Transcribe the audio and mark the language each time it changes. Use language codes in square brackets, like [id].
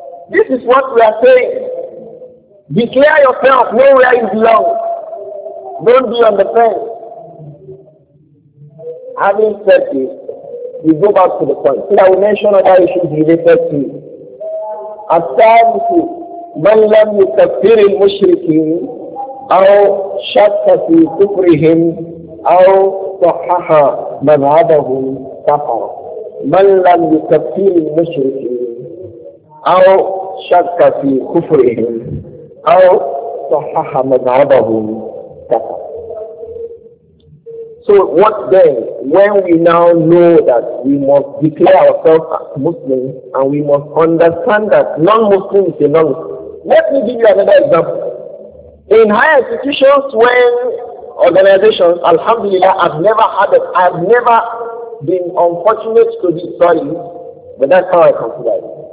[en] This is what we are saying. Declare yourself, know where you belong. Don't be on the fence. Having said this, we go back to the point. So I will mention other issues related to [ar] أَسَابُهُ مَنْ لَمْ يُكَفِّرِ الْمُشْرِكِينَ أَوْ شَكَّ فِي كُفْرِهِمْ أَوْ صَحَّحَ مَذْهَبَهُمْ كَفَرَ مَنْ لَمْ يُكَفِّرِ الْمُشْرِكِينَ أَوْ شَكَّ فِي كُفْرِهِمْ أَوْ صَحَّحَ مَذْهَبَهُمْ كَفَرَ. [en] So what then, when we now know that we must declare ourselves as Muslims and we must understand that non-Muslim is a non-Muslim. Let me give you another example. In higher institutions, when organizations, alhamdulillah, I've never been unfortunate to be sorry, but that's how I consider it.